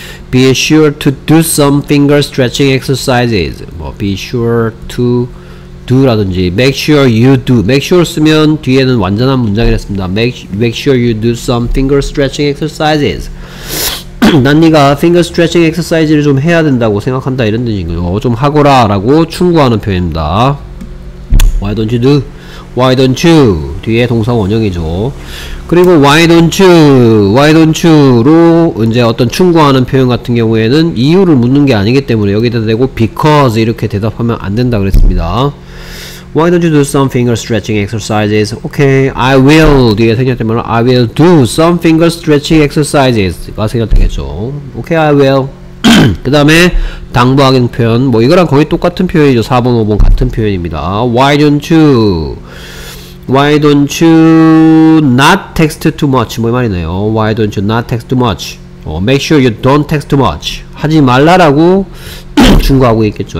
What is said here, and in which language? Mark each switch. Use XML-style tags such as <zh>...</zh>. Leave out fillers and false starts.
<en>be sure to do some finger stretching exercises. 뭐 be sure to do 라든지 make sure you do.</en> <ko>make sure 쓰면 뒤에는 완전한 문장이 됐습니다.</ko> <en>make sure you do some finger stretching exercises.</en> <ko>난 네가</ko> <en>finger stretching exercises</en> <ko>를 좀 해야 된다고 생각한다 이런 뜻이고요. 좀 하거라 라고 충고하는 표현입니다.</ko> <en>why don't you do? why don't you?</en> <ko>뒤에 동사 원형이죠. 그리고</ko> <en>why don't you? why don't you?</en> <ko>로 이제 어떤 충고하는 표현 같은 경우에는 이유를 묻는 게 아니기 때문에 여기다 대고 because 이렇게 대답하면 안 된다 그랬습니다.</ko> <en>why don't you do some finger stretching exercises? okay, I will</en> <ko>뒤에 생략되면</ko> <en>I will do some finger stretching exercises</en> <ko>가 생략되겠죠.</ko> <en>okay, I will</en> <ko>그 다음에 당부하긴 표현 뭐 이거랑 거의 똑같은 표현이죠. 4번 5번 같은 표현입니다.</ko> <en>Why don't you Why don't you not text too much?</en> <ko>뭐 이 말이네요.</ko> <en>Why don't you not text too much? Make sure you don't text too much.</en> <ko>하지 말라라고 충고하고 있겠죠.</ko>